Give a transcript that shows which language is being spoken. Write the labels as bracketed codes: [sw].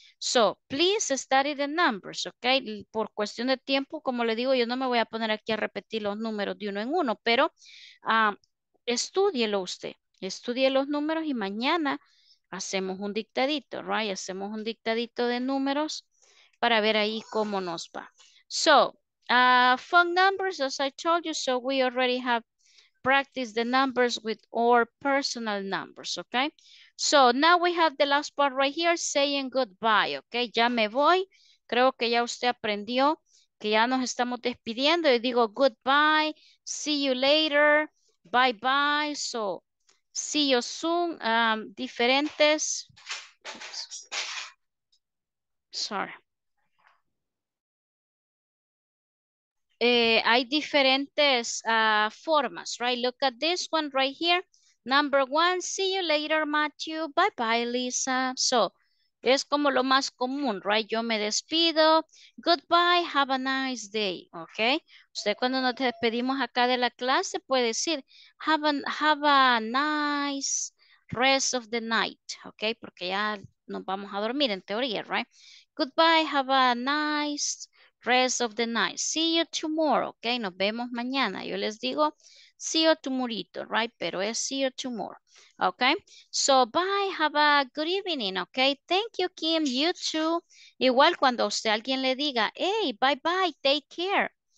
[en] So, please study the numbers, okay? [es] Por cuestión de tiempo, como le digo, yo no me voy a poner aquí a repetir los números de uno en uno, pero estúdielo usted. Estudie los números y mañana hacemos un dictadito, right? Hacemos un dictadito de números para ver ahí cómo nos va. [en] So, phone numbers, as I told you, so we already have practiced the numbers with our personal numbers, okay? So, now we have the last part right here, saying goodbye, okay? [es] Ya me voy. Creo que ya usted aprendió que ya nos estamos despidiendo. Y digo [en] goodbye, see you later, bye-bye. So, see you soon, diferentes. Oops. Sorry. [es] Hay diferentes formas, right? [en] Look at this one right here. Number one, see you later, Matthew. Bye-bye, Lisa. [es] So, es como lo más común, right? Yo me despido. [en] Goodbye, have a nice day, okay? [es] Usted cuando nos despedimos acá de la clase puede decir, [en] have a nice rest of the night, [es] okay? Porque ya nos vamos a dormir en teoría, right? [en] Goodbye, have a nice rest of the night. See you tomorrow, okay? [es] Nos vemos mañana. Yo les digo, [en] see you tomorrow, right? [es] Pero es [en] see you tomorrow, okay? So, bye, have a good evening, okay? Thank you, Kim, you too. [es] Igual cuando usted alguien le diga, [en] hey, bye-bye, take care.